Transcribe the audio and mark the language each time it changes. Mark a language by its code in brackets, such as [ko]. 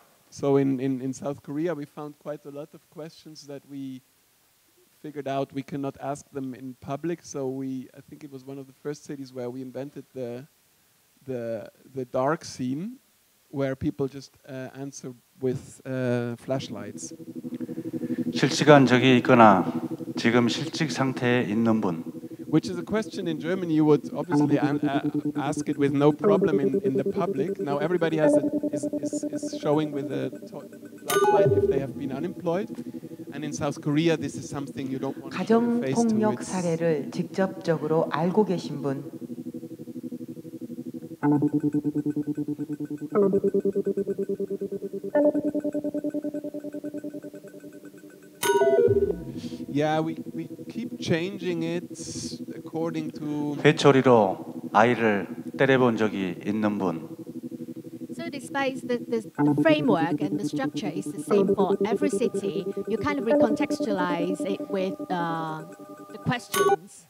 [en] So in South Korea, we found quite a lot of questions that we figured out we cannot ask them in public. So I think it was one of the first cities where we invented the dark scene, where people just answer with flashlights. [ko] 실직한 적이 있거나 지금 실직 상태에 있는 분. [en] Which is a question in Germany you would obviously ask it with no problem in the public. Now everybody is showing with a flashlight if they have been unemployed. And in South Korea, this is something you don't want to face. [ko] 가정폭력 사례를 직접적으로 알고 계신 분. [en] Yeah, we keep changing it according to. [ko] 회초리로 아이를 때려본 적이 있는 분. [en] So despite the framework and the structure is the same for every city, you kind of recontextualize it with the questions.